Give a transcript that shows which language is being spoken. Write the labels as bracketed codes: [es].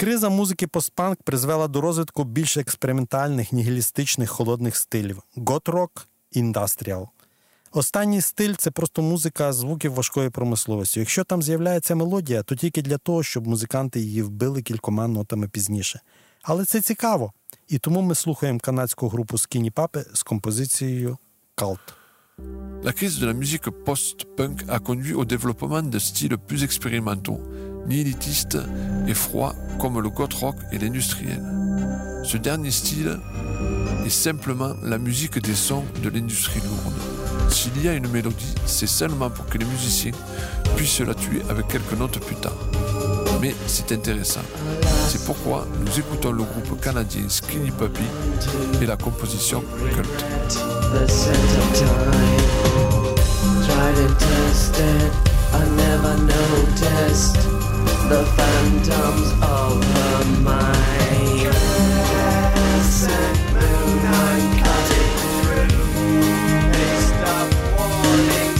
[uk] Музики постпанк призвела до розвитку більш експериментальних, нігілістичних, холодних стилів – гот-рок, індастріал. Останній стиль – це просто музика звуків важкої промисловості. Якщо там з'являється мелодія, то тільки для того, щоб музиканти її вбили кількома нотами пізніше. Але це цікаво. І тому ми слухаємо канадську групу Skinny Puppy з композицією «Cult». [fr] La crise de la musique post-punk a conduit au développement de styles plus expérimentaux, nihilistes et froids comme le goth rock et l'industriel. Ce dernier style est simplement la musique des sons de l'industrie lourde. S'il y a une mélodie, c'est seulement pour que les musiciens puissent la tuer avec quelques notes plus tard. Mais c'est intéressant. C'est pourquoi nous écoutons le groupe canadien Skinny Puppy et la composition Cult. [en] The sense of time, tried and tested, I never noticed the phantoms of her mind. Crescent moon, I'm cutting through, it's the warning.